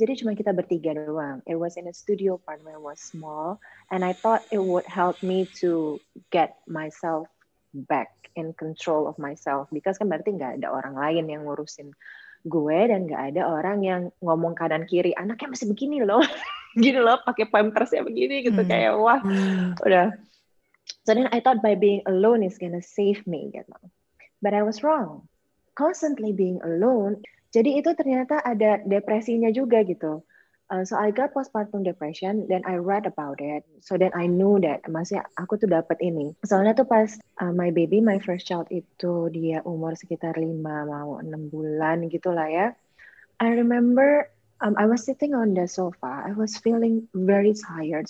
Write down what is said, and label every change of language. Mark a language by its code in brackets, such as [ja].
[id] Jadi cuma kita bertiga doang. [en] It was in a studio apartment, it was small, and I thought it would help me to get myself back in control of myself because [id] kan berarti enggak ada orang lain yang ngurusin gue dan enggak ada orang yang ngomong kanan kiri, anaknya masih begini loh. Gini loh, pakai pampersnya begini gitu kayak wah. Udah. [en] So then I thought by being alone is gonna save me, you know. But I was wrong. Constantly being alone. [id] Jadi itu ternyata ada depresinya juga gitu. [en] So I got postpartum depression, then I read about it. So then I knew that, [id] maksudnya aku tuh dapat ini. Soalnya tuh pas [en] my baby, my first child [id] itu, dia umur sekitar 5, mau 6 bulan gitu lah ya. [en] I remember I was sitting on the sofa, I was feeling very tired.